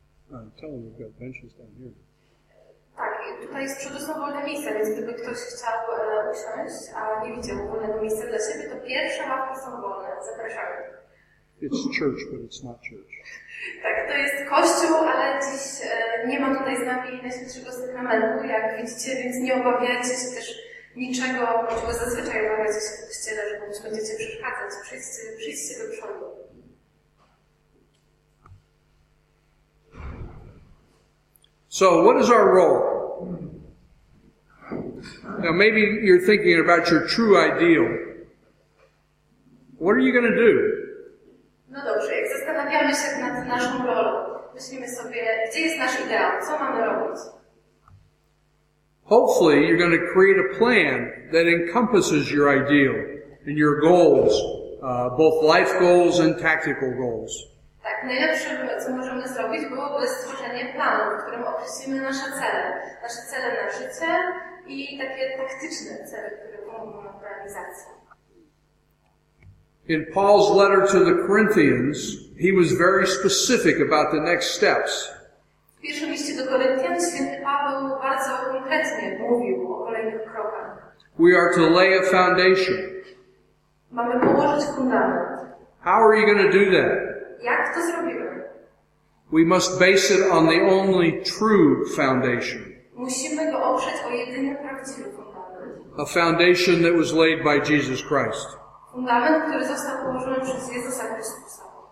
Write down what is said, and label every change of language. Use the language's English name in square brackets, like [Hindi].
[English] I'm telling you, we've got benches down here. [Polish] Tak, tu tutaj jest przedostał wolne miejsce, więc gdyby ktoś chciał usiąść, a nie widział wolnego miejsca dla siebie, to pierwsze ławki są wolne. Zapraszamy. [English] It's church, but it's not church. [Polish] Tak, to jest kościół, ale dziś nie ma tutaj z nami Najświętszego Sakramentu, jak widzicie, więc nie obawiajcie się też niczego, czego zazwyczaj obawiacie się w kościele, że być będziecie przeszkadzać. Przyjdźcie do przodu. [English] So, what is our role? Now, maybe you're thinking about your true ideal. What are you going to do? [Polish] No dobrze, jak zastanawiamy się nad naszą rolą, myślimy sobie, gdzie jest nasz ideał, co mamy robić? [English] Hopefully, you're going to create a plan that encompasses your ideal and your goals, both life goals and tactical goals. [Polish] Tak, najlepszym, co możemy zrobić, byłoby stworzenie planu, w którym określimy nasze cele na życie i takie taktyczne cele, które pomogą nam w realizacji. [English] In Paul's letter to the Corinthians, he was very specific about the next steps. [Polish] W pierwszym liście do Koryntian święty Paweł bardzo konkretnie mówił o kolejnych krokach. [English] We are to lay a foundation. [Polish] Mamy położyć fundament. [English] How are you going to do that? [Polish] Jak to zrobimy? [English] We must base it on the only true foundation. [Polish] Musimy go oprzeć o jedyny prawdziwy fundament. [English] A foundation that was laid by Jesus Christ. [Polish] Fundament, który został położony przez Jezusa Chrystusa.